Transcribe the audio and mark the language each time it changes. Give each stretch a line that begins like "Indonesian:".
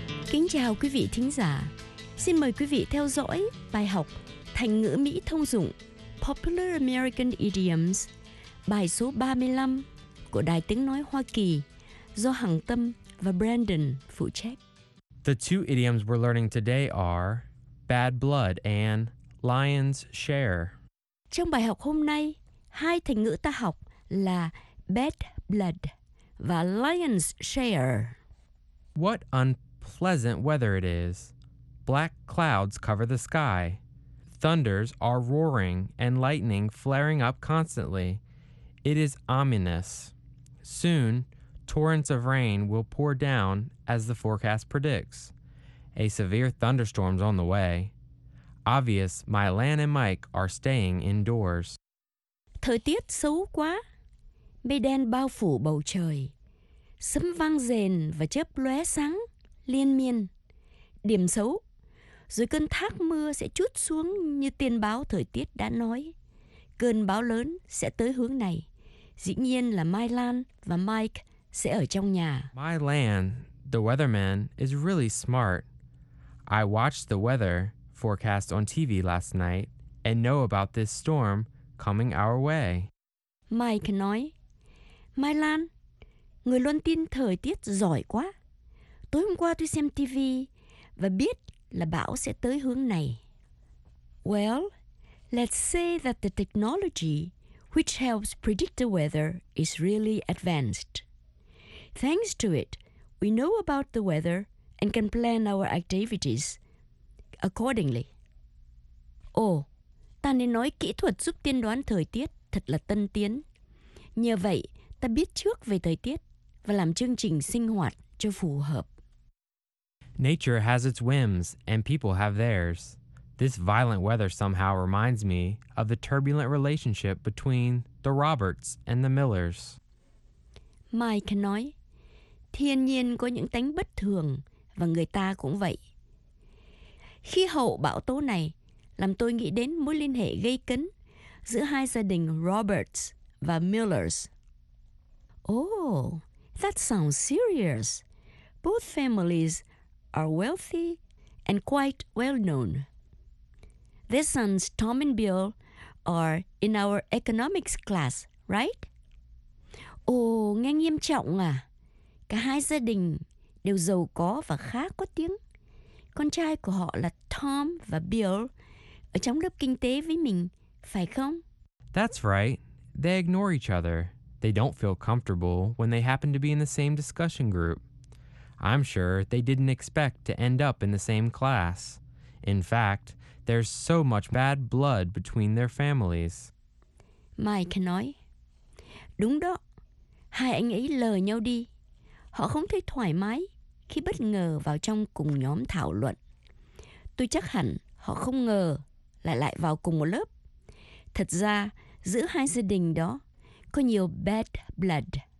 Vietnamese: Kính chào quý vị thính giả. Xin mời quý vị theo dõi bài học thành ngữ Mỹ thông dụng Popular American Idioms, bài số 35 của Đài Tiếng Nói Hoa Kỳ do Hằng Tâm và Brandon phụ trách.
English: The two idioms we're learning today are bad blood and lion's share.
Vietnamese: Trong bài học hôm nay, hai thành ngữ ta học là bad blood và lion's share.
English: What unpleasant weather it is. Black clouds cover the sky. Thunders are roaring and lightning flaring up constantly. It is ominous. Soon, torrents of rain will pour down as the forecast predicts. A severe thunderstorm's on the way. Obvious, my Lan and Mike are staying indoors.
Vietnamese: Thời tiết xấu quá. Mây đen bao phủ bầu trời. Sấm vang rền và chớp lóe sáng liên miên. Điểm xấu. Rồi cơn thác mưa sẽ trút xuống như tiên báo thời tiết đã nói. Cơn bão lớn sẽ tới hướng này. Dĩ nhiên là Mai Lan và Mike sẽ ở trong nhà.
English: Mai Lan, the weatherman, is really smart. I watched the weather forecast on TV last night and know about this storm coming our way.
Vietnamese: Mike nói, Mai Lan, người luôn tin thời tiết giỏi quá. Tối hôm qua tôi xem TV và biết là bão sẽ tới hướng này.
English: Well, let's say that the technology which helps predict the weather is really advanced. Thanks to it, we know about the weather and can plan our activities accordingly. Oh,
Vietnamese: ta nên nói kỹ thuật giúp tiên đoán thời tiết thật là tân tiến. Nhờ vậy, ta biết trước về thời tiết và làm chương trình sinh hoạt cho phù hợp.
English: Nature has its whims and people have theirs. This violent weather somehow reminds me of the turbulent relationship between the Roberts and the Millers.
Vietnamese: Mike nói, thiên nhiên có những tánh bất thường và người ta cũng vậy. Khí hậu bão tố này làm tôi nghĩ đến mối liên hệ gây cấn giữa hai gia đình Roberts và Millers.
English: Oh, that sounds serious. Both families are wealthy and quite well known. Their sons, Tom and Bill, are in our economics class, right?
Vietnamese: Oh, nghe nghiêm trọng à. Cả hai gia đình đều giàu có và khá có tiếng. Con trai của họ là Tom và Bill ở trong lớp kinh tế với mình, phải không?
English: That's right. They ignore each other. They don't feel comfortable when they happen to be in the same discussion group. I'm sure they didn't expect to end up in the same class. In fact, there's so much bad blood between their families.
Vietnamese: Mike nói, đúng đó, hai anh ấy lờ nhau đi. Họ không thấy thoải mái khi bất ngờ vào trong cùng nhóm thảo luận. Tôi chắc hẳn họ không ngờ lại vào cùng một lớp. Thật ra, giữa hai gia đình đó có nhiều bad blood.